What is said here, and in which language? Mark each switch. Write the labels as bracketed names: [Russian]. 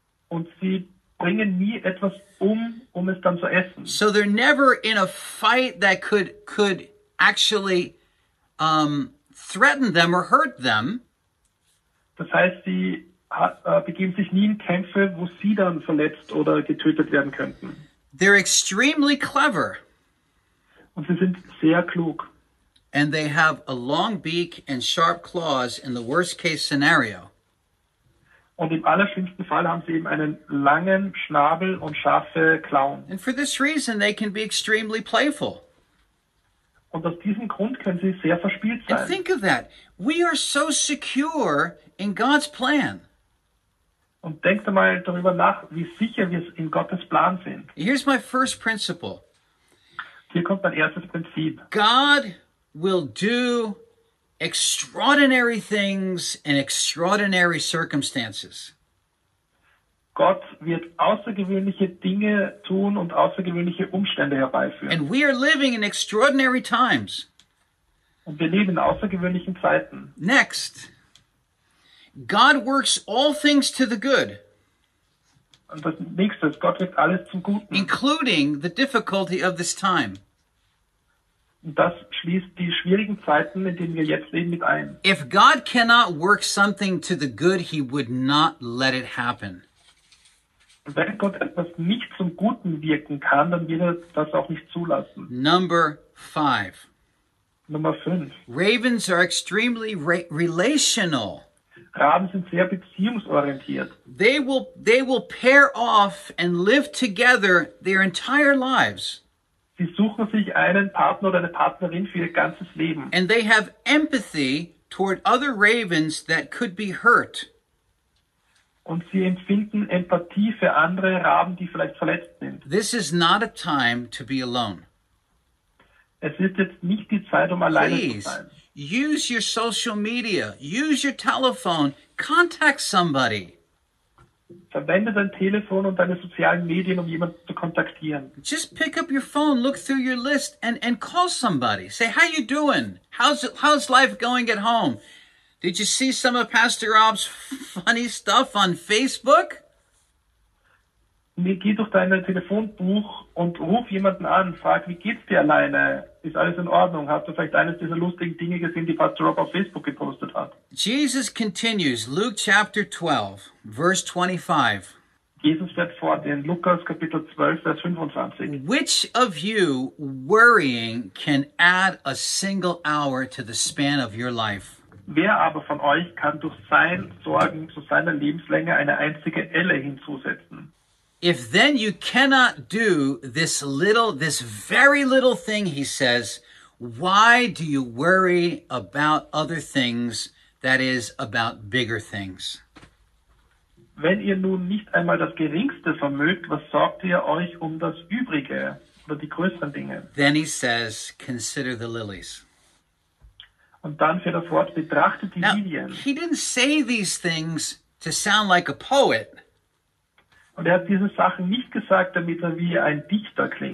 [German] Und sie bringen nie etwas um es dann zu essen. [English] So they're never in a fight that could actually threaten them or hurt them. [German] Das heißt, sie begeben sich nie in Kämpfe, wo sie dann verletzt oder getötet werden könnten. [English] They're extremely clever. [German] Und sie sind sehr klug. [English] And they have a long beak and sharp claws in the worst case scenario. [German] Und im allerschlimmsten Fall haben sie eben einen langen Schnabel und scharfe Klauen. [English] And for this reason, they can be extremely playful. [German] Und aus diesem Grund können sie sehr verspielt sein. [English] And think of that. We are so secure in God's plan. [German] Und denkt mal darüber nach, wie sicher wir in Gottes Plan sind. [English] Here's my first principle. [German] Hier kommt mein erstes Prinzip. [English] God will do extraordinary things in extraordinary circumstances. [German] Gott wird außergewöhnliche Dinge tun und außergewöhnliche Umstände herbeiführen. [English] And we are living in extraordinary times. [German] Und wir leben in außergewöhnlichen Zeiten. [English] Next, God works all things to the good. [German] Und das nächste ist, Gott wirkt alles zum Guten. [English] Including the difficulty of this time. [German] Das schließt die schwierigen Zeiten, in denen wir jetzt leben, mit ein. [English] If God cannot work something to the good, he would not let it happen. [German] Wenn Gott etwas nicht zum Guten wirken kann, dann wird er das auch nicht zulassen. [English] Number 5. [German] Nummer 5. [English] Ravens are extremely relational. [German] Raben sind sehr beziehungsorientiert. [English] They will pair off and live together their entire lives. [German] Sie suchen sich einen Partner oder eine Partnerin für ihr ganzes Leben. [English] And they have empathy toward other ravens that could be hurt. [German] Und sie empfinden Empathie für andere Raben, die vielleicht verletzt sind. [English] This is not a time to be alone. [German] Es ist jetzt nicht die Zeit, um alleine [English] Please, [German] zu sein. [English] Use your social media. Use your telephone. Contact somebody. [German] Verwende dein Telefon und deine sozialen Medien, um jemanden zu kontaktieren. [English] Just pick up your phone, look through your list and call somebody. Say, how you doing? How's life going at home? Did you see some of Pastor Rob's funny stuff on Facebook? [German] Nee, geh durch dein Telefonbuch und ruf jemanden an. Frag, wie geht's dir alleine? Ist alles in Ordnung? Hast du vielleicht eines dieser lustigen Dinge gesehen, die Pastor Rob auf Facebook gepostet hat? [English] Jesus continues, Luke chapter 12, verse 25. [German] Jesus fährt fort in Lukas Kapitel 12, Vers 25. [English] Which of you worrying can add a single hour to the span of your life? [German] Wer aber von euch kann durch sein Sorgen zu seiner Lebenslänge eine einzige Elle hinzusetzen? [English] If then you cannot do this little, this very little thing, he says, why do you worry about other things, that is, about bigger things? [German] Wenn ihr nun nicht einmal das Geringste vermögt, was sorgt ihr euch um das Übrige oder die größeren Dinge? [English] Then he says, consider the lilies. [German] Und dann fährt er fort, betrachtet die [English] Now, [German] Lilien. [English] He didn't say these things to sound like a poet. [German] Und er hat diese Sachen nicht gesagt, damit er wie ein Dichter klingt.